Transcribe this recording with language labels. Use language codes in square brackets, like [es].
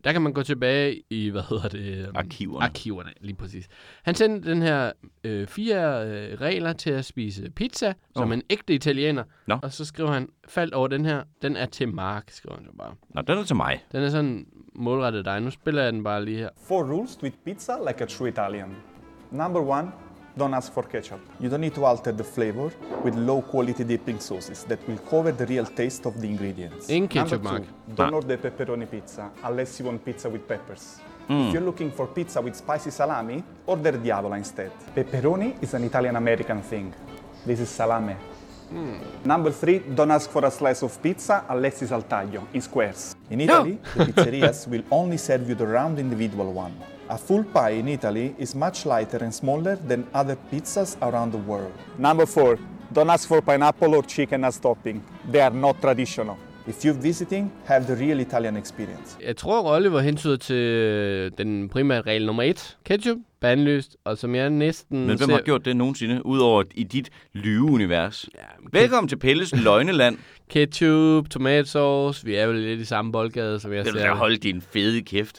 [da] Der kan man gå tilbage i, hvad hedder det? Arkiverne, lige præcis. Han sendte den her fire regler til at spise pizza, som en ægte italiener. [en] No. [da] Og så skriver han, faldt over den her, den er til Mark, skriver han så bare. Nå, den er til mig. Den er sådan målrettet dig. Nu spiller jeg den bare lige her. [en] Four rules to eat pizza like a true Italian. Number one, don't ask for ketchup. You don't need to alter the flavor with low quality dipping sauces that will cover the real taste of the ingredients. In ketchup, Number two, Mark. Don't order pepperoni pizza unless you want pizza with peppers. If you're looking for pizza with spicy salami, order Diavola instead. Pepperoni is an Italian-American thing. This is salame. Number three, don't ask for a slice of pizza unless it's al taglio, in squares. In Italy, the pizzerias will only serve you the round individual one. A full pie in Italy is much lighter and smaller than other pizzas around the world. Number four, don't ask for pineapple or chicken as topping. They are not traditional. If you're visiting, have the real Italian experience. [da] Jeg tror, Oliver hentyder til den primære regel nummer et. Ketchup, bandlyst, og som jeg næsten... Men hvem har gjort det nogensinde, udover i dit lyveunivers? Ja, velkommen til Pelles løgneland. Ketchup, tomatsauce, vi er jo lidt i samme boldgade, som jeg ser. Vil du holde din fede kæft?